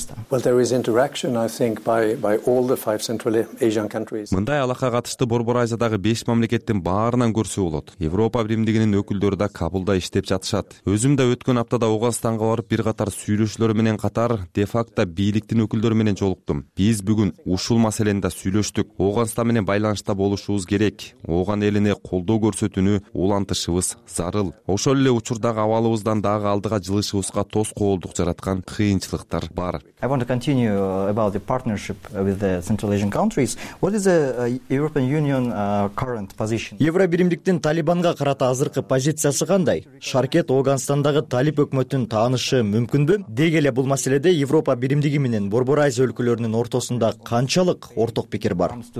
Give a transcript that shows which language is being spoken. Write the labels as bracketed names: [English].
[English] Well, there is interaction I think by all the five Central Asian countries. [Kyrgyz] Мындай алака катышты Борбор Азиядагы 5 мамлекеттин баарынан көрсөк болот. Европа биримдигинин өкүлдөрү да Кабулда иштеп жатышат. Өзүм да өткөн аптада Ооганстанга барып, бир катар сүйлөшүүлөр менен катар де-факто бийликтин өкүлдөрү менен жолуктум. Биз бүгүн ушул маселени да сүйлөштүк. Ооганстан менен байланышта болушубуз керек. Ооган элине колдоо көрсөтүүнү улантышыбыз зарыл. Ошол эле учурдагы абалыбыздан дагы алдыга жылышыбызга тоскоолдук жараткан кыйынчылыктар бар. [English] I want to continue about the partnership with the Central Asian countries. What is the European Union current position? [Kyrgyz] Евро биримдиктин Талибанга карата азыркы позициясы кандай? Шаркет Ооганстандагы Талип өкмөтүн таанышы мүмкүнбү? Деги эле бул маселеде Европа биримдиги менен Борбор Азия өлкөлөрүнүн ортосунда канчалык орток пикир бар?